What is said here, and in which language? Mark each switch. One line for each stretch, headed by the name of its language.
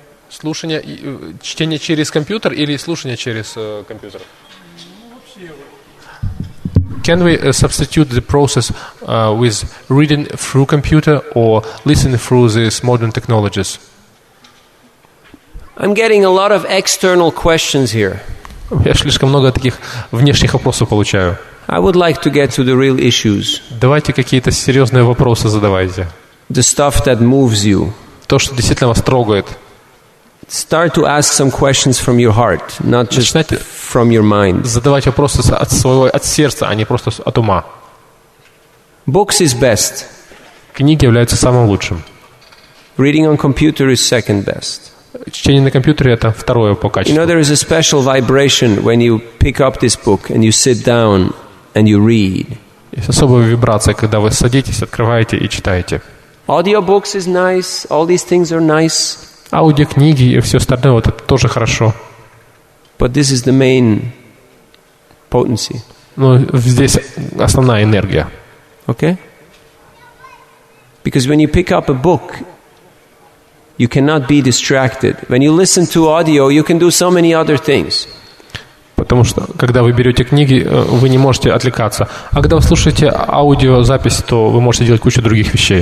Russian: слушание, чтение через компьютер или слушание через компьютер?
English: Can we substitute the process with reading through computer or listening through these modern technologies? I'm getting a lot of external questions here.
Russian: Я слишком много таких внешних вопросов получаю.
English: I would like to get to the real issues.
Russian: Давайте какие-то серьезные вопросы задавайте.
English: The stuff that moves you.
Russian: То, что действительно вас трогает.
English: Start to ask some questions from your heart, not just
Russian: начинайте
English: from your mind.
Russian: Задавайте вопросы от своего, от сердца, а не просто от ума.
English: Books is best.
Russian: Книги являются самым лучшим.
English: Reading on computer is second best.
Russian: Чтение на компьютере – это второе по качеству.
English: You know, there is a special vibration when you pick up this book and you sit down and you read.
Russian: Есть особая вибрация, когда вы садитесь, открываете и читаете.
English: Audiobooks is nice. All these things are nice.
Russian: Аудиокниги и все остальное – вот это тоже хорошо.
English: But this is the main potency.
Russian: Но здесь основная энергия.
English: Okay? Because when you pick up a book, you cannot be distracted. When you listen to audio, you can do so many other things.
Russian: Потому что когда вы берете книги, вы не можете отвлекаться. А когда вы слушаете аудиозапись, то вы можете делать кучу других вещей.